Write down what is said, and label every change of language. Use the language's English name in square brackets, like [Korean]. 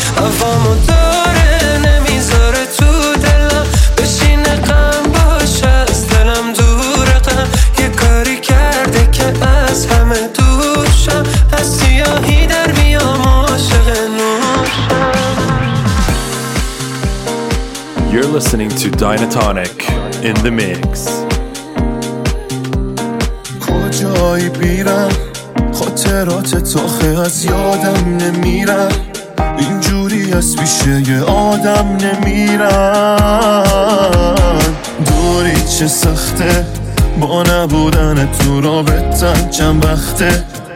[Persian] هوامو داره نمیذاره تو دلم بشینه، غم باشه از دلم دوره، غم یه کاری کرده که از همه دور شم، از سیاهی در میام عاشق نور شم. [English] You're listening to Dynatonic in the mix. [Persian] کجایی بیرم خاطرات تو خیلی از یادم نمیرم، اینجوری از پیشه آدم نمیرم، دوری چه سخته با نبودن تو رابطن چند وقته،